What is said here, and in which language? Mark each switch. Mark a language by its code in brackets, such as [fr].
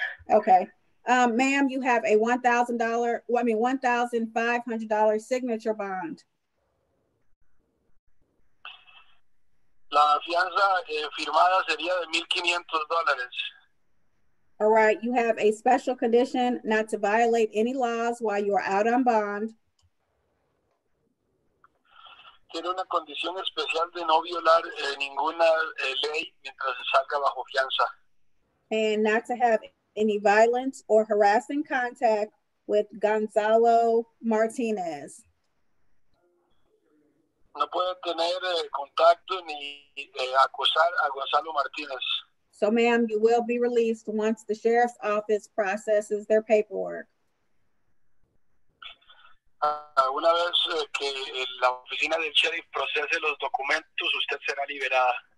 [en] Okay, ma'am, you have a $1,500 signature bond. [es] La fianza firmada sería de $1,500. [en] All right, you have a special condition not to violate any laws while you are out on bond. [es] Tiene una condición especial de no violar ninguna ley mientras salga bajo fianza. [en] And not to have any violence or harassing contact with Gonzalo Martinez. [es] No puede tener contacto ni acusar a Gonzalo Martinez. [en] So, ma'am, you will be released once the sheriff's office processes their paperwork. [es] Una vez que la oficina del sheriff procese los documentos, usted será liberada.